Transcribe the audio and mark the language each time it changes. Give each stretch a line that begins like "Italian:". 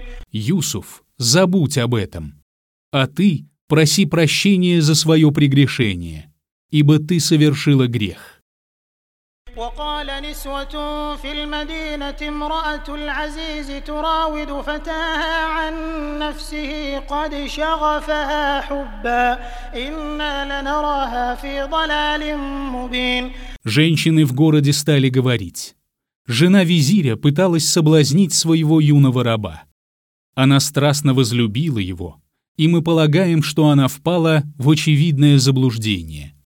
Russian: Юсуф, забудь об этом, а ты проси прощения за свое прегрешение, ибо ты совершила грех.
Arabic: وقال نسوة في المدينة امرأة العزيز تراود فتاها عن نفسه قد شغفها حبا إنا لنراها في ضلال مبين.
Russian: Женщины в городе стали говорить: «Жена визиря пыталась соблазнить своего юного раба. Она страстно возлюбила его, и мы полагаем, что она впала в очевидное заблуждение».